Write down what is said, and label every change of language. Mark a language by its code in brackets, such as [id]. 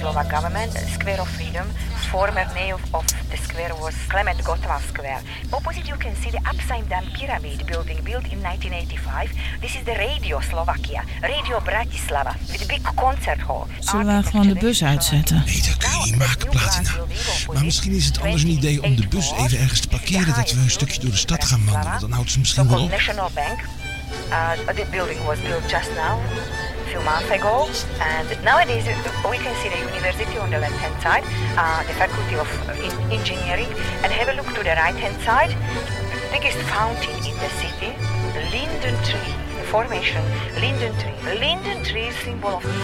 [en] Government, Square of Freedom, former mayor of the square was Clement Gottwald Square. Opposite you can see the upside down pyramid building built in 1985. This is the Radio Slovakia, Radio Bratislava, with a big concert hall. [nl] Zullen we gewoon de bus uitzetten? Nee, dat kun je niet maken, Platina. Maar misschien is het anders een idee om de bus even ergens te parkeren, dat we een stukje door de stad gaan wandelen. Dan houdt ze misschien wel op. [en] National Bank. The building was built just now. Months ago, and nowadays we can see the university on the left hand side, the faculty of engineering, and have a look to the right hand side, biggest fountain in the city, linden tree formation, linden tree symbol of